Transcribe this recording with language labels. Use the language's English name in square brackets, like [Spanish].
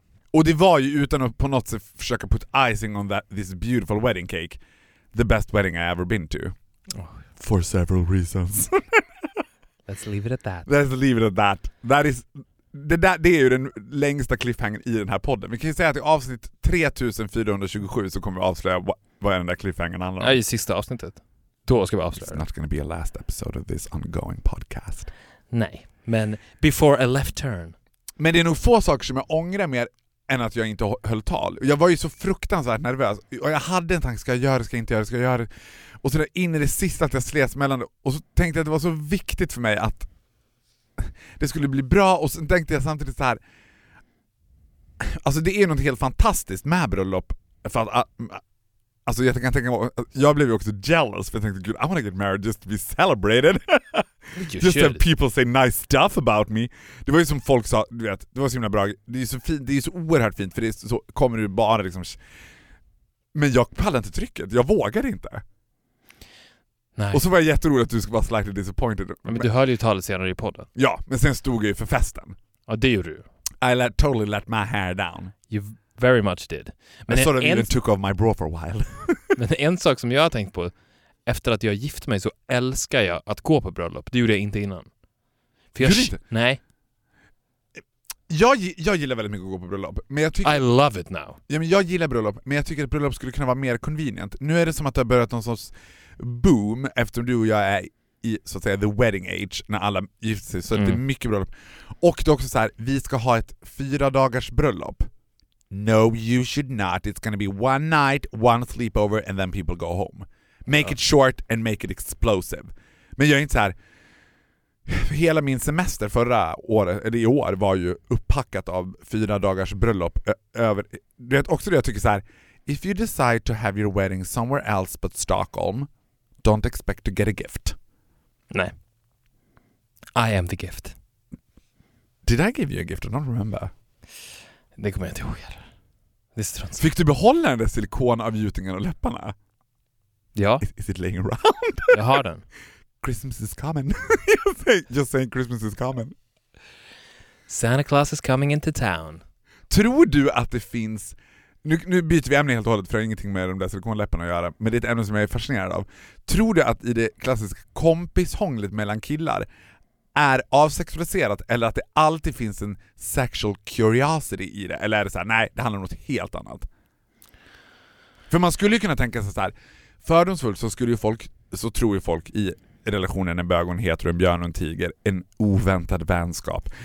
[English] Och det var ju, utan att på något sätt försöka put icing on that, this beautiful wedding cake, the best wedding I ever been to. Oh. For several reasons. Let's leave it at that. Let's leave it at that. [Swedish] That is, det är ju den längsta cliffhangern i den här podden. Vi kan ju säga att i avsnitt 3427 så kommer vi avslöja vad är den där cliffhangern handlar om. Ja, i sista avsnittet. Då ska vi avslöja. [English] It's not going to be a last episode of this ongoing podcast. Nej, men before a left turn. [Swedish] Men det är nog få saker som jag ångrar mer än att jag inte höll tal. Jag var ju så fruktansvärt nervös. Och jag hade en tanke, ska jag göra det, ska jag inte göra det, ska jag göra det. Och så där in i det sista att jag slets mellan det. Och så tänkte jag att det var så viktigt för mig att det skulle bli bra. Och så tänkte jag samtidigt så här. Alltså det är ju något helt fantastiskt med bröllop. För att, alltså jag kan tänka mig, jag blev ju också jealous. [English] För jag tänkte, gud, I want to get married just to be celebrated. Just should. To have people say nice stuff about me. [Swedish] Det var ju som folk sa, du vet, det var så himla bra. Det är ju så fint, det är ju så oerhört fint. För det är så, kommer du bara liksom. Men jag pallade inte trycket, jag vågade inte. Nej. Och så var jag jätteroligt att du skulle vara slightly disappointed. Men du hörde ju talet senare i podden. Ja, men sen stod jag ju för festen. Ja, det gjorde du. [English] I totally let my hair down. You very much did. Men I sort of even took off my bra for a while. [Swedish] Men en sak som jag har tänkt på, efter att jag gift mig så älskar jag att gå på bröllop. Det gjorde jag inte innan. För jag inte? Nej. Jag gillar väldigt mycket att gå på bröllop. Men jag tycker, [English] I love it now. [Swedish] Ja, men jag gillar bröllop, men jag tycker att bröllop skulle kunna vara mer convenient. Nu är det som att det har börjat någon sorts boom, eftersom du och jag är i, så att säga, the wedding age, när alla gifter sig, så mm. det är mycket bröllop. Och det är också så här, vi ska ha ett 4 dagars bröllop. [English] No, you should not. It's gonna be one night, one sleepover, and then people go home. Make it short and make it explosive. [Swedish] Men jag är inte så här, hela min semester förra året, eller i år, var ju upppackat av 4 dagars bröllop. [English] Över, du vet också det jag tycker så här, if you decide to have your wedding somewhere else but Stockholm, don't expect to get a gift. Nej. I am the gift. Did I give you a gift? I don't remember. [Swedish] Det kommer jag inte ihåg. Det strunt. Fick du behålla den där silikonavgjutningen och läpparna? Ja. [English] Is it laying around? [Swedish] Jag har den. [English] Christmas is coming. Just saying Christmas is coming. Santa Claus is coming into town. [Swedish] Tror du att det finns... Nu byter vi ämne helt och hållet, för det har ingenting med de där silikonläpparna att göra. Men det är ett ämne som jag är fascinerad av. Tror du att i det klassiska kompishånglet mellan killar är avsexualiserat, eller att det alltid finns en sexual curiosity i det? Eller är det så här, nej, det handlar om något helt annat? För man skulle ju kunna tänka sig så här, fördomsfullt så skulle ju folk, så tror ju folk i relationen en bög och en hetero, en björn och en tiger, en oväntad vänskap.